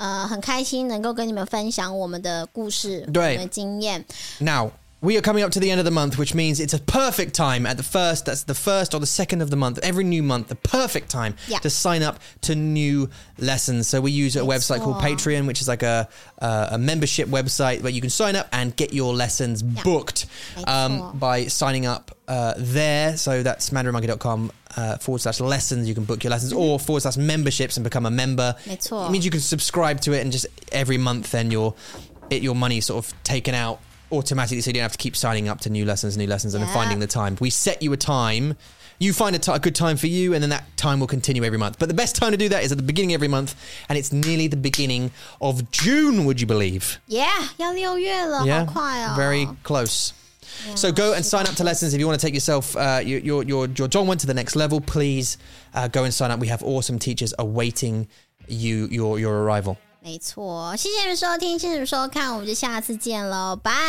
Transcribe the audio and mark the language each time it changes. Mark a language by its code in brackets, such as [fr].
[zh] 很开心能够跟你们分享我们的故事, 对。我们的经验。 [en] Now, we are coming up to the end of the month, which means it's a perfect time at the first, that's the first or the second of the month, every new month, the perfect time to sign up to new lessons. So we use a website called Patreon, which is like a membership website where you can sign up and get your lessons booked by signing up there. So that's mandarinmonkey.com. /lessons, you can book your lessons, or /memberships and become a member. It means you can subscribe to it, and just every month then your money sort of taken out automatically, so you don't have to keep signing up to new lessons and then finding the time. We set you a time, you find a good time for you, and then that time will continue every month. But the best time to do that is at the beginning of every month, and it's nearly the beginning of June, would you believe? Yeah, [zh] 要六月了, 好快哦, [en] very close. Yeah, so go and sign up to lessons if you want to take yourself your John went to the next level. Please go and sign up. We have awesome teachers awaiting you your arrival. [zh] 没错，谢谢收听，谢谢收看，我们就下次见喽，拜